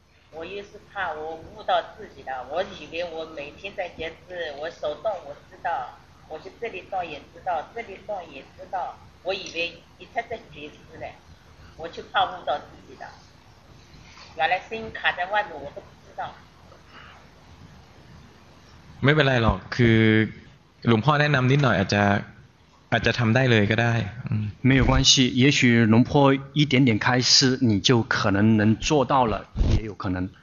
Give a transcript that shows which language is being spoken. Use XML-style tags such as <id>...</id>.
<zh>我也是怕我误导自己的我以为我每天在觉知我手动我知道我就这里动也知道这里动也知道我以为你才在觉知呢我就怕误导自己的原来声音卡在外面我都不知道没没来了</zh> <th>คือหลวงพ่อแนะนำนิดหน่อยอาจจะทำได้เลยก็ได้ไ</th> <zh>ม่有关系也许龙坡一点点开始你就可能能做到了也有可能</zh>